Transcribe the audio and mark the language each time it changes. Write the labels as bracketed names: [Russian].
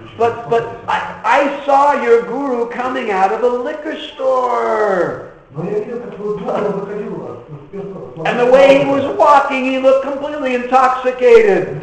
[English] But I saw your guru coming out of a liquor store. [Russian] Но я видел, как твой гуру выходил. [English] And the way he was walking, he looked completely intoxicated.